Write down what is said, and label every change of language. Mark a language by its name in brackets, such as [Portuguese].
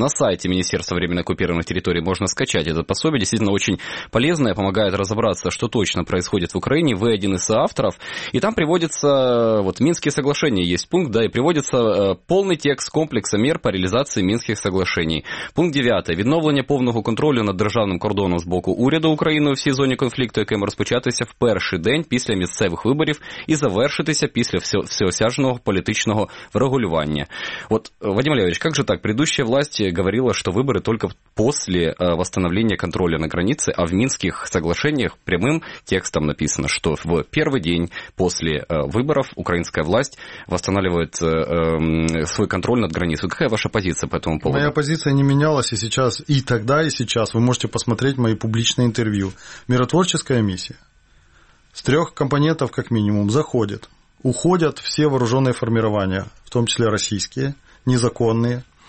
[Russian] На сайте Министерства временно оккупированных территорий можно скачать это пособие. Действительно, очень полезное, помогает разобраться, что точно происходит в Украине. Вы один из соавторов. И там приводится, вот, Минские соглашения есть пункт, да, и приводится полный текст комплекса мер по реализации Минских соглашений. Пункт 9. [Ukrainian] Відновлення повного контролю над державним кордоном з боку уряду України у всій зоні конфлікту, який має розпочатися в перший день після місцевих виборів і завершитися після всеосяжного політичного врегулювання. От, Вадим Олегович, як же так? [Russian] Предыдущая власть говорила, [Ukrainian] що вибори тільки після восстановления контролю на границі, а в Мінських соглашеннях прямим текстом написано, що в перший день після виборів українська власть восстанавливає свій контроль [Russian] перейдет границу. Какая ваша позиция по этому поводу? Моя позиция не менялась и сейчас, и тогда, и сейчас. Вы можете посмотреть мои публичные интервью. Миротворческая миссия с трех компонентов, как минимум, заходит. Уходят все вооруженные формирования, в том числе российские, незаконные.